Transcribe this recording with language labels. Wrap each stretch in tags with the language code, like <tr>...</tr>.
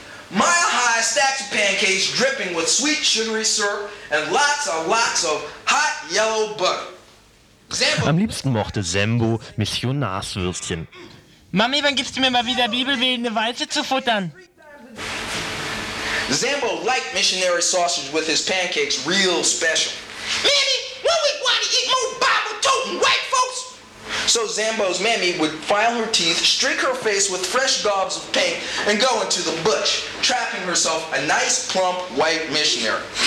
<en>Mile high stacks of pancakes dripping with sweet sugary syrup and lots of hot yellow butter.</en> <de>Zambo. Am liebsten mochte Zambo Missionarswürstchen. Mami, wann gibst du mir mal wieder bibelbildende Weiße zu futtern?</de> <en>Zambo liked missionary sausage with his pancakes real special. Mammy, when we want to eat more Bible-toting white folks? So Zambo's mammy would file her teeth, streak her face with fresh daubs of paint, and go into the bush, trapping herself a nice, plump, white missionary.</en>